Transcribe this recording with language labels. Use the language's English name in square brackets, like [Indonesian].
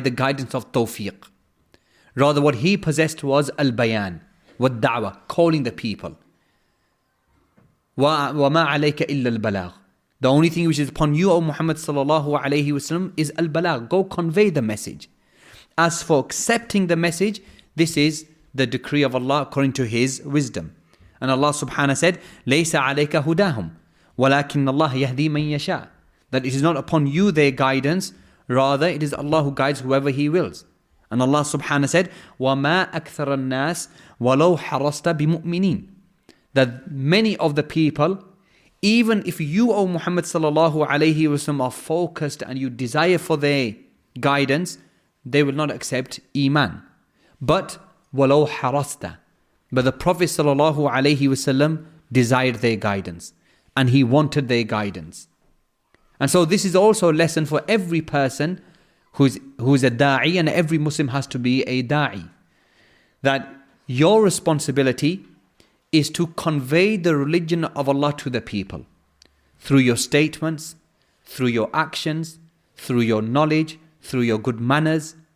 [English] the guidance of tawfiq. Rather, what he possessed was al-bayan, wa da'wah, calling the people. [Arabic] وَمَا عَلَيْكَ إِلَّا الْبَلَاغُ. [English] The only thing which is upon you, O Muhammad sallallahu alayhi wasallam, is al-balagh, go convey the message. As for accepting the message, this is the decree of Allah according to His wisdom. And Allah subhanahu said, [Arabic] لَيْسَ عَلَيْكَ هُدَاهُمْ وَلَكِنَّ اللَّهَ يَهْدِي مَنْ يَشَاءُ. [English] That it is not upon you their guidance, rather it is Allah who guides whoever He wills. And Allah subhanahu said, [Arabic] وَمَا أَكْثَرَ النَّاسِ وَلَوْ حَرَصْتَ بِمُؤْمِنِينَ. [English] That many of the people, even if you, O Muhammad sallallahu alayhi wasallam, are focused and you desire for their guidance, they will not accept iman. But [Arabic] وَلَوْ حَرَصْتَ. [English] But the Prophet sallallahu alayhi wasallam desired their guidance, and he wanted their guidance. And so this is also a lesson for every person who is a da'i, and every Muslim has to be a da'i. That your responsibility is to convey the religion of Allah to the people through your statements, through your actions, through your knowledge, through your good manners.